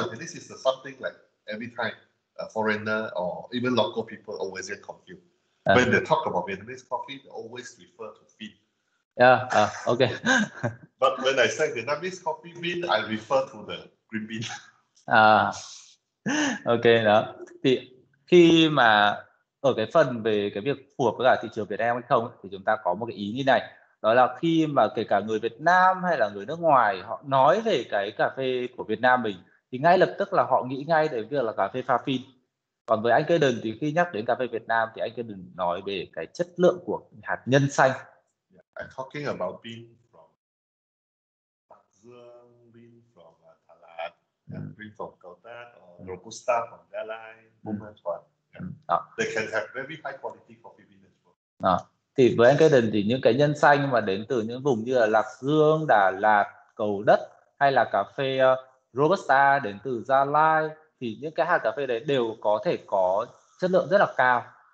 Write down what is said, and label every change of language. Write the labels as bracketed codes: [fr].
[en] Okay, this is something like every time a foreigner or even local people always get confused. When they talk about Vietnamese coffee, they always refer to bean. But when I say Vietnamese coffee bean, I refer to the green bean. [vi] Ok đó. Thì khi mà ở cái phần về cái việc phù hợp với cả thị trường Việt Nam hay không thì chúng ta có một cái ý như này, đó là khi mà kể cả người Việt Nam hay là người nước ngoài họ nói về cái cà phê của Việt Nam mình thì ngay lập tức là họ nghĩ ngay đến việc là cà phê pha phin. Còn với anh Kaden thì khi nhắc đến cà phê Việt Nam thì anh Kaden nói về cái chất lượng của hạt nhân xanh. [en] Talking about bean from Bạc Dương, bean from Đà Lạt, bean from Cao Tát, Robusta from Gia Lai, Buôn Ma Thuột. [vi] Đó. [en] They can have very high quality coffee bean as well. [vi] Đó. Thì với anh Kaden thì những cái nhân xanh mà đến từ những vùng như là Lạc Dương, Đà Lạt, Cầu Đất hay là cà phê Robusta đến từ Gia Lai thì những cái hạt cà phê đấy đều có thể có chất lượng rất là cao.